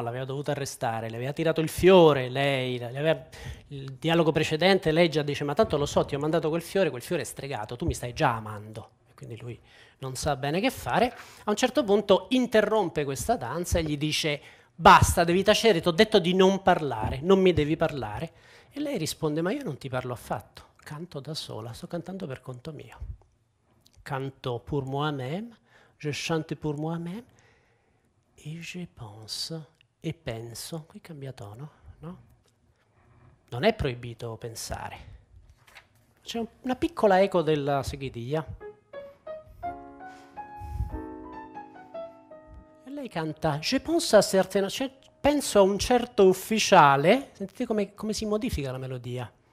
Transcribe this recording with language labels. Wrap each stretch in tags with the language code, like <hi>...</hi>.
<it>L'aveva dovuto arrestare, le aveva tirato il fiore, lei, il dialogo precedente, lei già dice, ma tanto lo so, ti ho mandato quel fiore è stregato, tu mi stai già amando. Quindi lui non sa bene che fare. A un certo punto interrompe questa danza e gli dice, basta, devi tacere, ti ho detto di non parlare, non mi devi parlare. E lei risponde, ma io non ti parlo affatto, canto da sola, sto cantando per conto mio.</it> <fr>Canto pour moi-même, je chante pour moi-même, et je pense,</fr> <it>e penso, qui cambia tono, no? Non è proibito pensare. C'è una piccola eco della seguidilla. E lei canta,</it> <fr>je pense à certaines,</fr> <it>cioè, penso a un certo ufficiale, sentite come si modifica la melodia.</it>